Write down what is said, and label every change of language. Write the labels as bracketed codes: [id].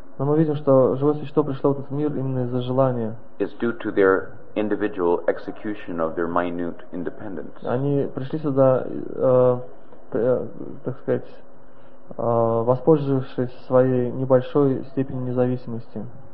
[ru] Но мы видим, что живое существо пришло в этот мир именно из-за желания. [en] It's due to their individual execution of their minute independence. [ru] Они пришли сюда, так сказать, воспользовавшись своей небольшой степенью независимости.